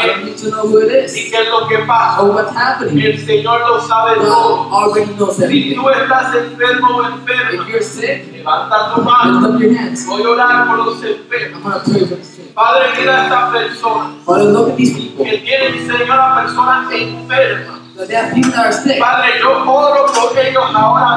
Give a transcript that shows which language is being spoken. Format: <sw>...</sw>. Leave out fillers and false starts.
<en>I don't need to know who it is.</en> <es>Ni qué es lo que pasa.</es> <en>Or what's happening.</en> <es>El Señor lo sabe</es> <en>God</en> <es>todo.</es> <en>Already knows everything.</en> <es>Si tú estás enfermo o enferma,</es> <en>if you're sick,</en> <es>levanta tu mano.</es> <en>Lift up your hands.</en> <es>Voy a orar por los enfermos.</es> <en>I'm going to pray for the sick.</en> <es>Padre, mira a esta persona.</es> <en>Father, look at these people.</en> <es>Que tiene, Señor, a persona enferma.</es> <en>That they are people that are sick.</en> <es>Padre, yo oro por ellos ahora.</es>